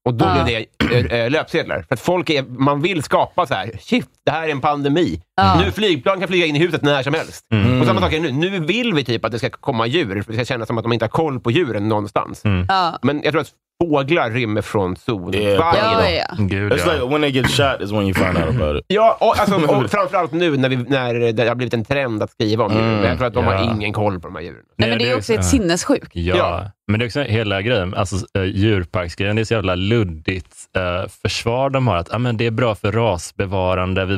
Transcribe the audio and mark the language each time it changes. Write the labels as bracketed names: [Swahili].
[Swedish] Och då blev det löpsedlar. För att folk är, man vill skapa så här, shit, det här är en pandemi. Mm. Nu flygplan kan flyga in i huset när som helst. Mm. Och samma sak är nu. Nu vill vi typ att det ska komma djur, för det ska kännas som att de inte har koll på djuren någonstans. Mm. Men jag tror att fåglar rymmer från zon varje dag. [English] It's like when they get shot is when you find out about it. [Swedish] Ja, och, alltså, och framförallt nu när det har blivit en trend att skriva om det. Jag tror att de har ingen koll på de här djuren. Nej, men det är också ett sinnessjuk. Ja, men det är också hela grejen. Alltså djurparksgrejen, det är så jävla luddigt försvar de har. Att men det är bra för rasbevarande.